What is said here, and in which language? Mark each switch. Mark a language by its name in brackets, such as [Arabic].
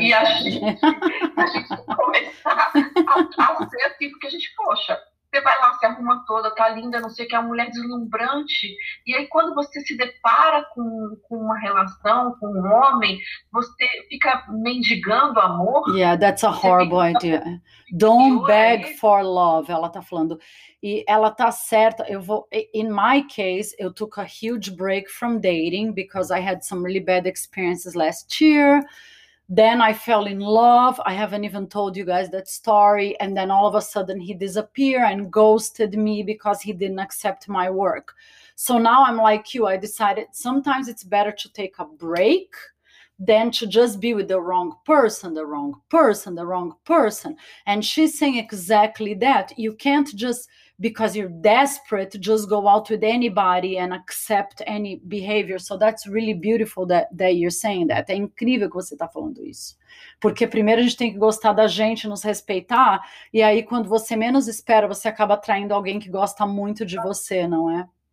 [Portuguese] e a gente começar a ser assim, porque a gente, poxa, você vai lá, se arruma toda, tá linda, não sei o que, é uma mulher deslumbrante, e aí quando você se depara com uma relação, com um homem, você fica mendigando amor. [English] Yeah, that's a horrible idea. Don't beg for love, [Portuguese] ela tá falando. E ela tá certa, eu vou... [English] In my case, eu took a huge break from dating because I had some really bad experiences last year. Then I fell in love. I haven't even told you guys that story. And then all of a sudden he disappeared and ghosted me because he didn't accept my work. So now I'm like you. I decided sometimes it's better to take a break than to just be with the wrong person, the wrong person, the wrong person. And she's saying exactly that. You can't just, because you're desperate, just go out with anybody and accept any behavior. So that's really beautiful that you're saying that. [Portuguese] É incrível que você está falando isso. Porque primeiro a gente tem que gostar da gente, nos respeitar, e aí quando você menos espera, você acaba atraindo alguém que gosta muito de você, não é?